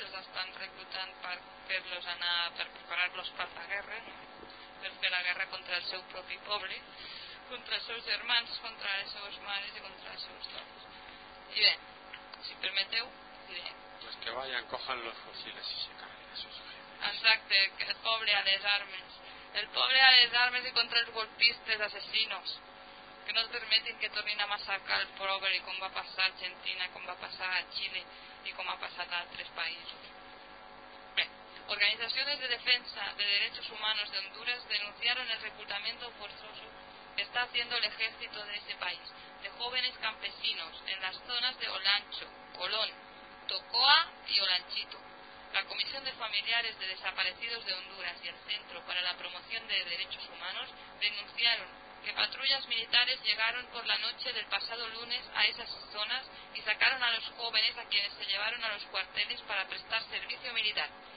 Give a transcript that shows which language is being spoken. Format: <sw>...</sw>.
<ca>Els estan reclutant per fer-los anar, per preparar-los per la guerra, per fer la guerra contra el seu propi poble, contra els seus germans, contra les seves mares i contra els seus dones. I bé, si permeteu, diré.</ca> <es>Pues que vayan, cojan los fusiles y se carguen a sus jefes.</es> <ca>Exacte, el poble a les armes. El poble a les armes i contra els golpistes assassinos, que no permetin que tornin a massacrar el poble, com va passar a Argentina, com va passar a Xile i com ha passat a altres països.</ca> <es>Organizaciones de defensa de derechos humanos de Honduras denunciaron el reclutamiento forzoso que está haciendo el ejército de ese país, de jóvenes campesinos en las zonas de Olancho, Colón, Tocoa y Olanchito. La Comisión de Familiares de Desaparecidos de Honduras y el Centro para la Promoción de Derechos Humanos denunciaron que patrullas militares llegaron por la noche del pasado lunes a esas zonas y sacaron a los jóvenes a quienes se llevaron a los cuarteles para prestar servicio militar.</es>